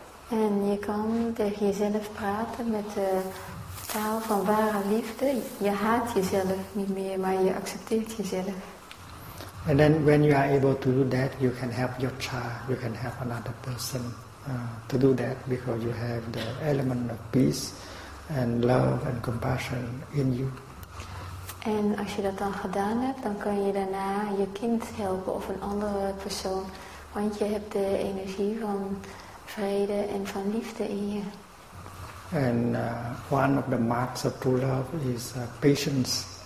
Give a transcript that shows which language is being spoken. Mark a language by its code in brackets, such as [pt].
[nl] En je kan tegen jezelf praten met de taal van ware liefde. Je haat jezelf niet meer, maar je accepteert jezelf. [en] And then when you are able to do that, you can help your child, you can help another person to do that, because you have the element of peace and love and compassion in you. [nl] En als je dat dan gedaan hebt, dan kan je daarna je kind helpen of een andere persoon, want je hebt de energie van vrede en van liefde in je. [en] And one of the marks of true love is patience.